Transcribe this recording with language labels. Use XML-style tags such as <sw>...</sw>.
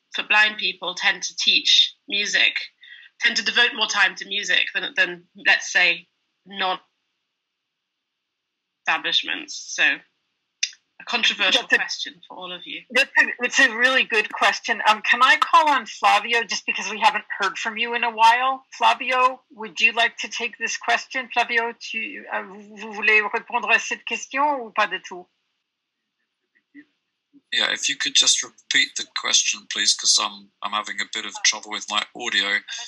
<en>for blind people tend to teach music, tend to devote more time to music than let's say, non-establishments. So a controversial question for all of you. It's a really good question. Can I call on Flavio, just because we haven't heard from you in a while? Flavio, would you like to take this question?</en> <fr>Flavio, vous voulez répondre à cette question ou pas du tout?</fr> <en>Yeah, if you could just repeat the question, please, because I'm having a bit of trouble with my audio.</en>